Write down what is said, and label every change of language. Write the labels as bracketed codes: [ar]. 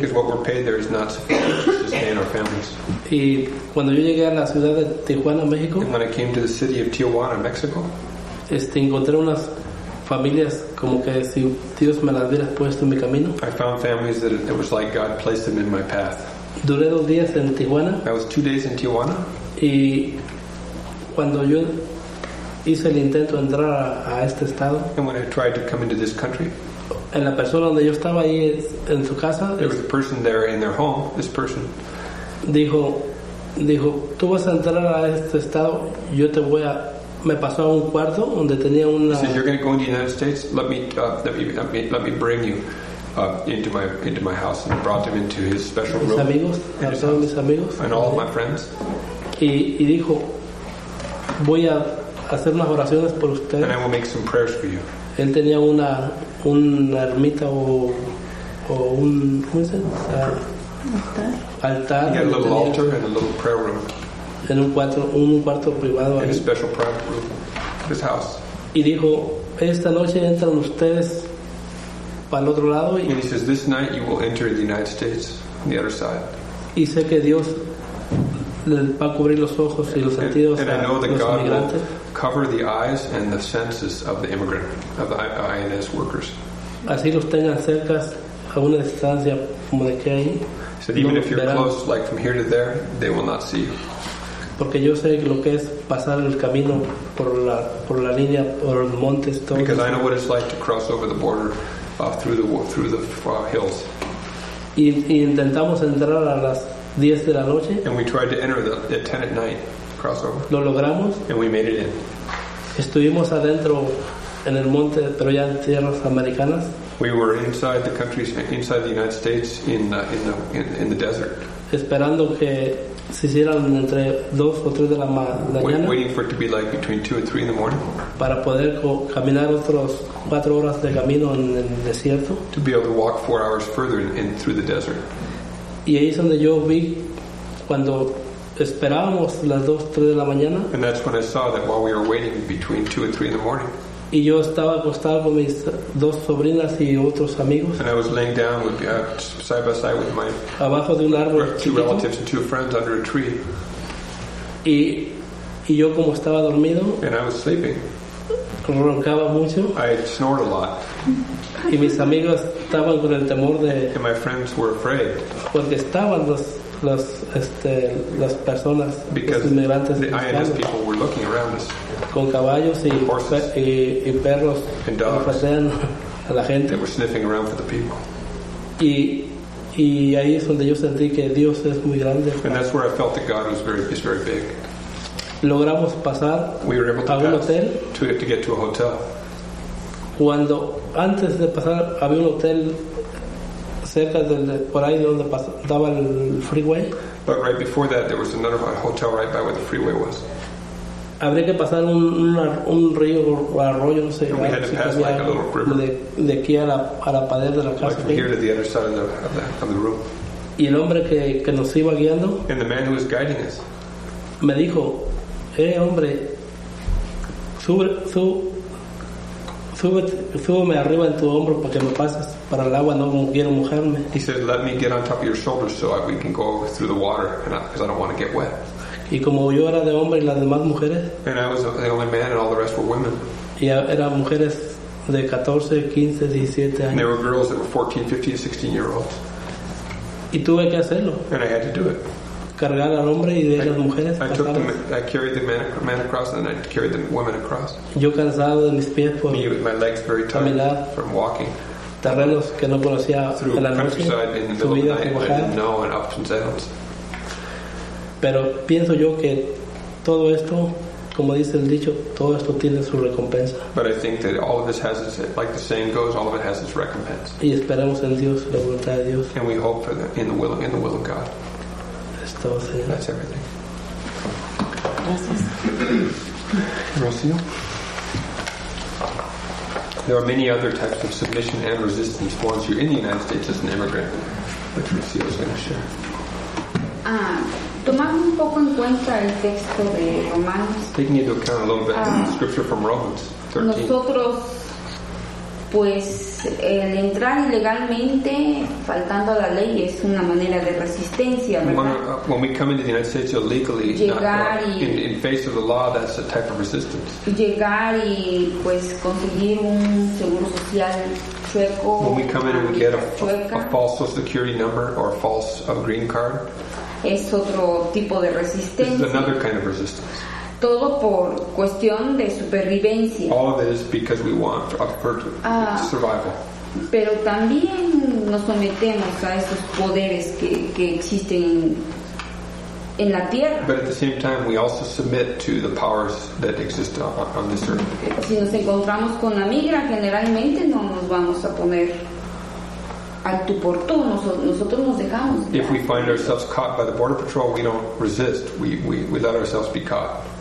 [en] Because what we're paid there is not sufficient to sustain our families. [es] Y cuando yo llegué a la ciudad de Tijuana, México. [en] And when I came to the city of Tijuana, Mexico. [es] Encontré unas familias como que si Dios me las hubiera puesto en mi camino. [en] I found families that it was like God placed them in my path. [es] Duré 2 días en Tijuana. [en] I was 2 days in Tijuana. [es] Y cuando yo hice el intento de entrar a este estado, [en] and when I tried to come into this country, [es] en la persona donde yo estaba ahí en su casa, [en] there was a person there in their home, this person [es] dijo tú vas a entrar a este estado, yo te voy a, me pasó a un cuarto donde tenía una, [en] he says, you're going to go into the United States, let me bring you into my house, and brought him into his special [es] mis [en] room [es] amigos, [en] and, his house, [es] mis amigos, [en] and all my friends, [es] y dijo voy a hacer unas oraciones por usted, [en] and I will make some prayers for you. [es] Él tenía una ermita o un, ¿cómo se dice? [en] Altar. He had a little altar and a little prayer room. [es] En un cuarto privado. [en] In a special private room. This house. [es] Y dijo, esta noche entran ustedes para el otro lado. [en] And he says, this night you will enter the United States, on the other side. [es] Y sé que Dios les va a cubrir los ojos y los sentidos a los inmigrantes. [en] Cover the eyes and the senses of the immigrant, of the INS workers. [es] Así los tengan cerca a una distancia como de aquí. [en] So even if you're close, like from here to there, they will not see you. [es] Porque yo sé lo que es pasar el camino por la línea, por los montes. [en] Because I know what it's like to cross over the border through the hills. [es] Y intentamos entrar a las 10 de la noche. [en] And we tried to enter at 10 at night. Crossover. [es] Lo logramos. [en] And we made it in. [es] Estuvimos adentro en el monte, pero ya en tierras americanas. [en] We were inside the country, inside the United States, in the desert. [es] Esperando que se hicieran entre 2 o 3 de la mañana. [en] Waiting for it to be like between 2 and 3 in the morning. [es] Para poder caminar otros 4 horas de camino en el desierto. [en] To be able to walk 4 hours further in through the desert. [es] Y ahí es donde yo vi cuando esperábamos las 2, 3 de la mañana. [en] And that's when I saw that while we were waiting between 2 and 3 in the morning. [es] Y yo estaba acostado con mis dos sobrinas y otros amigos. [en] And I was laying down with, side by side with my [es] abajo de un árbol [en] two [es] chiquito. [en] Relatives and two friends under a tree. [es] Y yo como estaba dormido. [en] And I was sleeping. [es] Roncaba mucho. [en] I snored a lot. [es] Y mis amigos estaban con el temor de. [en] And my friends were afraid. [es] Porque estaban las personas, [en] because [es] los inmigrantes, [en] the INS people were looking around us, [es] con caballos y [en] horses, [es] y perros, [en] and dogs, [es] a la gente. [en] They were sniffing around for the people. [es] Y ahí es donde yo sentí que Dios es muy grande. [en] And that's where I felt that God is very big. [es] Logramos pasar, [en] we were able to [es] a un [en] pass [es] hotel. [en] To get to a hotel. [es] Cuando antes de pasar había un hotel cerca del por ahí donde daba el freeway. [en] But right before that, there was another hotel right by where the freeway was. [es] Habría que pasar un río o arroyo, no sé. [en] And we had to pass like a little river. [es] De aquí a la pared de la casa. [en] Like from here to the other side of the room. [es] Y el hombre que nos iba guiando. [en] And the man who was guiding us. [es] Me dijo, hey, hombre, súbeme arriba en tu hombro para que me pases para el agua, no quiero mojarme. [en] He said, let me get on top of your shoulders so we can go through the water because I don't want to get wet. [es] Y como yo era de hombre y las demás mujeres, [en] and I was the only man and all the rest were women. [es] Y eran mujeres de 14, 15, 17 años. [en] And there were girls that were 14, 15, 16 year olds. [es] Y tuve que hacerlo. [en] And I had to do it. [es] Cargar al hombre y de las mujeres. [en] I carried the man across and I carried the woman across. [es] Yo cansado de mis pies por [en] me, my legs very tired [es] caminar, [en] from walking. [es] Terrenos que no conocía [en] through [es] en la noche, [en] countryside in the middle of the night, I didn't know and ups and downs. [es] Pero pienso yo que todo esto, como dice el dicho, todo esto tiene su recompensa. [en] But I think that all of this has its, like the saying goes, all of it has its recompense. [es] Y esperamos en Dios, la voluntad de Dios. [en] And we hope for in the will of God. [es] Todo, Señor. [en] That's everything. [es] Gracias. Rocío. [en] There are many other types of submission and resistance once you're in the United States as an immigrant, which Rocío is going to share. [es] Tomando un poco en cuenta el texto de Romanos. [en] Taking into account a little bit of the scripture from Romans 13. [es] Nosotros, pues, el entrar ilegalmente, faltando a la ley, es una manera de resistencia, ¿verdad? [en] When we come into the United States illegally, [es] llegar [en] not, in face of the law, that's a type of resistance. [es] Llegar y, pues, conseguir un seguro social chueco. [en] When we come in and we get a false social security number or a false green card. [es] es otro tipo de resistencia. [en] This is another kind of resistance. [es] Todo por cuestión de supervivencia. [en] All of it is because we want survival. [es] Pero también nos sometemos a esos poderes que existen en la tierra. [en] But at the same time, we also submit to the powers that exist on this earth. [es] Si nos encontramos con la migra, generalmente no nos vamos a poner al tú por tú. Nosotros nos dejamos. [en] If we find ourselves caught by the border patrol, we don't resist. We let ourselves be caught.